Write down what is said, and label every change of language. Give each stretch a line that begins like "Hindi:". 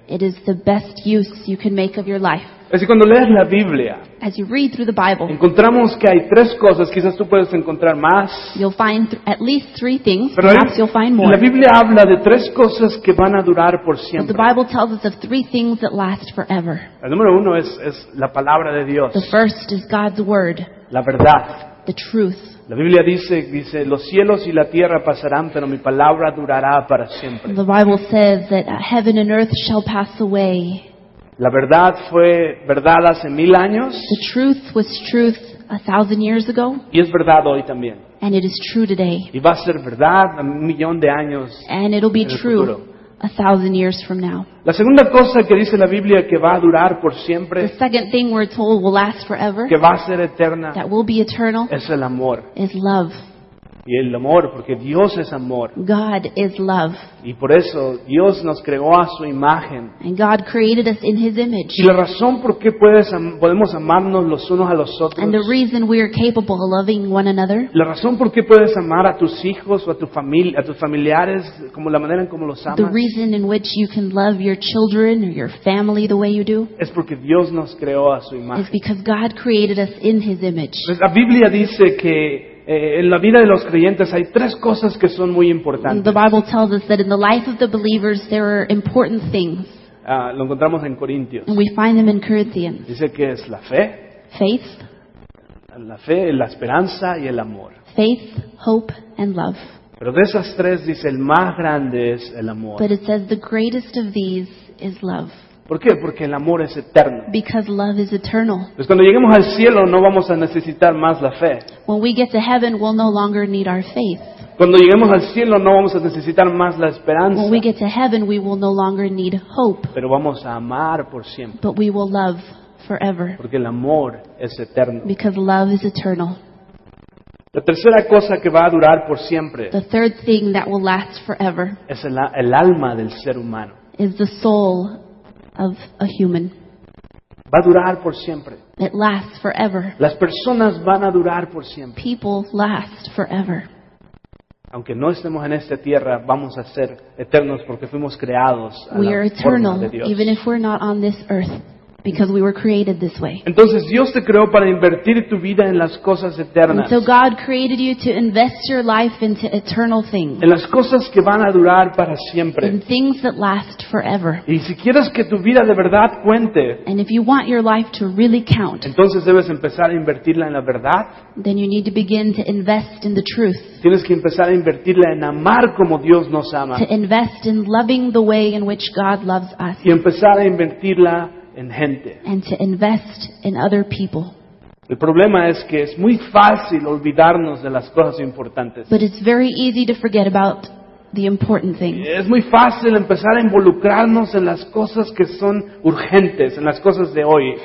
English: It is the best use you can make of your life.
Spanish: Así cuando lees la Biblia,
English: as you read through the Bible,
Spanish: encontramos que hay tres cosas, quizás tú puedes encontrar más.
English: You'll find at least three things, perhaps you'll find more.
Spanish: La Biblia habla de tres cosas que van a durar por siempre.
English: But the Bible tells us of three things that last forever.
Spanish: El número uno es la palabra de Dios.
English: The first is God's word.
Spanish: La verdad.
English: The truth.
Spanish: La Biblia dice los cielos y la tierra pasarán, pero mi palabra durará para siempre.
English: The Bible says that heaven and earth shall pass away.
Spanish: La verdad fue verdad hace mil años.
English: The truth was truth 1,000 years ago.
Spanish: Y es verdad hoy también.
English: And it is true today.
Spanish: Y va a ser verdad un millón de años.
English: And it'll be true 1,000 years from now.
Spanish: La segunda cosa que dice la Biblia que va a durar por siempre.
English: The second thing we're told will last forever.
Spanish: Que va a ser eterna.
English: That will be eternal.
Spanish: Es el amor.
English: Is love.
Spanish: Y el amor, porque Dios es amor.
English: God is love.
Spanish: Y por eso Dios nos creó a su imagen.
English: And God created us in His image.
Spanish: Y la razón por qué podemos amarnos los unos a los otros.
English: And the reason we are capable of loving one another.
Spanish: La razón por qué puedes amar a tus hijos o a tu familia, a tus familiares, como la manera en cómo los amas.
English: The reason in which you can love your children or your family the way you do.
Spanish: Es porque Dios nos creó a su imagen.
English: Is because God created us in His image.
Spanish: Pues la Biblia dice que en la vida de los creyentes hay tres cosas que son muy importantes.
English: The Bible tells us that in the life of the believers there are important things.
Spanish: Lo encontramos en Corintios.
English: And we find them in Corinthians.
Spanish: Dice que es la fe.
English: Faith.
Spanish: La fe, la esperanza y el amor.
English: Faith, hope and love.
Spanish: Pero de esas tres dice el más grande es el amor.
English: But it says the greatest of these is love.
Spanish: ¿Por qué? Porque el amor es eterno.
English: Because love is eternal.
Spanish: Pues cuando lleguemos al cielo no vamos a necesitar más la fe.
English: When we get to heaven, we'll no longer need our faith.
Spanish: Cuando lleguemos al cielo no vamos a necesitar más la esperanza.
English: When we get to heaven, we will no longer need hope.
Spanish: Pero vamos a amar por siempre.
English: But we will love forever.
Spanish: Porque el amor es eterno.
English: Because love is eternal.
Spanish: La tercera cosa que va a durar por siempre.
English: The third thing that will last forever.
Spanish: Es el alma del ser humano.
English: Is the soul of a human.
Spanish: Va a durar por siempre.
English: It lasts forever.
Spanish: Las personas van a durar por siempre.
English: People last forever.
Spanish: Aunque no estemos en esta tierra, vamos a ser eternos porque fuimos creados a
English: we
Spanish: la
English: are eternal,
Spanish: forma de Dios.
English: Even if we're not on this earth, because we were created this way.
Spanish: Entonces Dios te creó para invertir tu vida en las cosas eternas.
English: And so God created you to invest your life into eternal things.
Spanish: En las cosas que van a durar para siempre.
English: In things that last forever.
Spanish: Y si quieres que tu vida de verdad cuente.
English: And if you want your life to really count.
Spanish: Entonces debes empezar a invertirla en la verdad.
English: Then you need to begin to invest in the truth.
Spanish: Tienes que empezar a invertirla en amar como Dios nos ama.
English: To invest in loving the way in which God loves us.
Spanish: Y empezar a invertirla en gente.
English: And to invest in other people.
Spanish: El problema es que es muy fácil olvidarnos de las cosas importantes.
English: But it's very easy to forget about the important things.
Spanish: Es muy fácil empezar a involucrarnos en las cosas que son urgentes, en las cosas de hoy.